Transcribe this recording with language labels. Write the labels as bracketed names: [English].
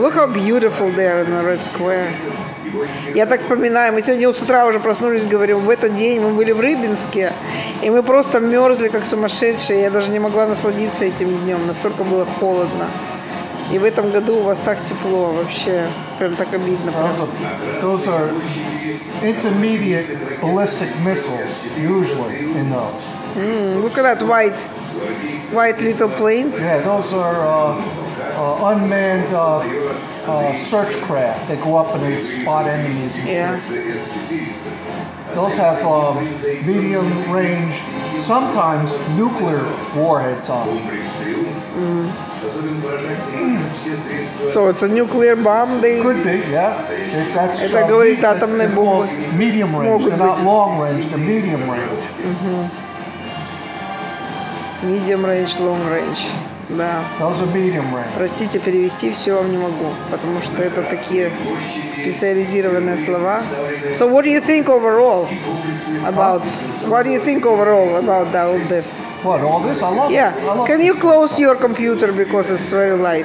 [English] Look how beautiful there in the Red Square. [Russian] Я так вспоминаю, мы сегодня с утра уже проснулись, говорим, в этот день мы были в Рыбинске, и мы просто мерзли, как сумасшедшие. Я даже не могла насладиться этим днем, настолько было холодно. И в этом году у вас так тепло вообще, прям так обидно. [English] Those are intermediate ballistic missiles, usually in those. Mm, look at that white little planes. Yeah, those are unmanned search craft. They go up and they spot enemies. Yeah. Those have medium range, sometimes nuclear warheads on them. Mm. So it's a nuclear bomb. They could be, yeah. If that's [Russian] это говорит атомные бомбы. [English] Medium range, they're not long range, they're medium range. Medium range, long range. Да. Those are medium range. [Russian] Простите, перевести все вам не могу, потому что это такие специализированные слова. [English] So what do you think overall about? What do you think overall about that, all this? What, all this? I love yeah. it. I love Can you close your computer because it's very light?